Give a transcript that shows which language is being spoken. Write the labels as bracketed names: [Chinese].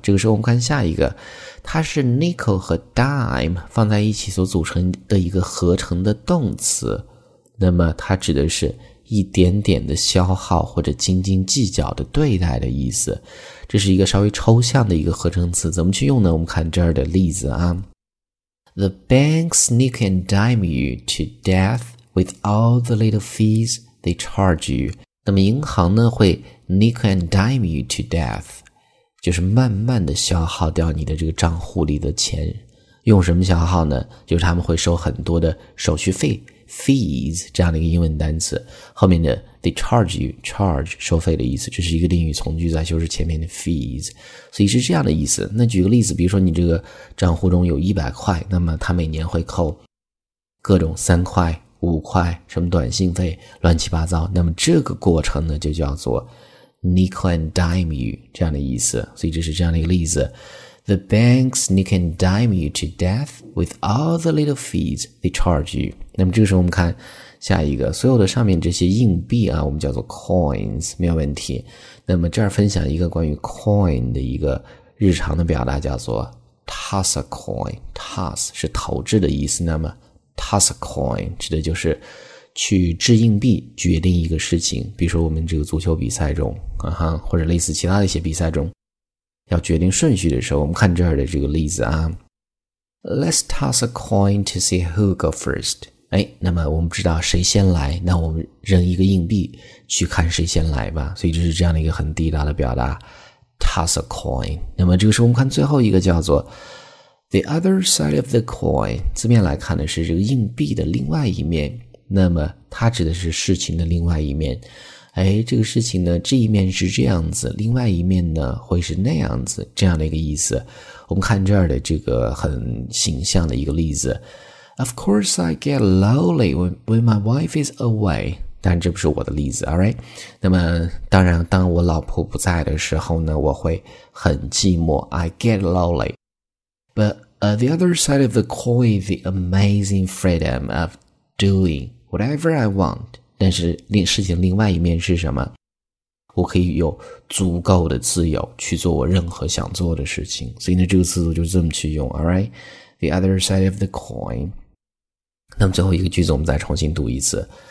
[Chinese] 这个时候我们看下一个，它是 nickel 和 dime 放在一起所组成的一个合成的动词，那么它指的是一点点的消耗或者斤斤计较的对待的意思，这是一个稍微抽象的一个合成词，怎么去用呢？我们看这儿的例子啊。 [English] The banks nick and dime you to death with all the little fees they charge you。 [Chinese] 那么银行呢会 [English] nick and dime you to death， [Chinese] 就是慢慢的消耗掉你的这个账户里的钱。用什么消耗呢？就是他们会收很多的手续费fees 这样的一个英文单词，后面的 [English] they charge you， [Chinese] charge 收费的意思，这是一个定语从句，在修饰前面的 fees， 所以是这样的意思。那举个例子，比如说你这个账户中有100块，那么他每年会扣各种3块、5块，什么短信费，乱七八糟，那么这个过程呢就叫做 [English] nickel and dime you [Chinese] 这样的意思，所以这是这样的一个例子。 [English] The banks nick and dime you to death with all the little fees they charge you。 [Chinese] 那么这个时候我们看下一个，所有的上面这些硬币啊，我们叫做 coins， 没有问题。那么这儿分享一个关于 coin 的一个日常的表达，叫做 [English] toss a coin。 [Chinese] toss 是投掷的意思，那么 toss a coin 指的就是去掷硬币决定一个事情，比如说我们这个足球比赛中啊，或者类似其他的一些比赛中要决定顺序的时候，我们看这儿的这个例子啊。 [English] Let's toss a coin to see who go first. [Chinese] 哎，那么我们知道谁先来，那我们扔一个硬币去看谁先来吧。所以这是这样的一个很地道的表达。 [English] Toss a coin. [Chinese] 那么这个时候我们看最后一个叫做 [English] The other side of the coin. [Chinese] 字面来看的是这个硬币的另外一面。那么它指的是事情的另外一面。哎，这个事情呢，这一面是这样子，另外一面呢会是那样子，这样的一个意思。我们看这儿的这个很形象的一个例子。 [English] Of course I get lonely when my wife is away. [Chinese] 但这不是我的例子， [English] alright? [Chinese] 那么当然当我老婆不在的时候呢，我会很寂寞。 [English] I get lonely. But the other side of the coin, the amazing freedom of doing whatever I want. [Chinese] 但是事情另外一面是什么？我可以有足够的自由去做我任何想做的事情。所以呢，这个词组就这么去用 ， [English] alright? The other side of the coin. [Chinese] 那么最后一个句子我们再重新读一次。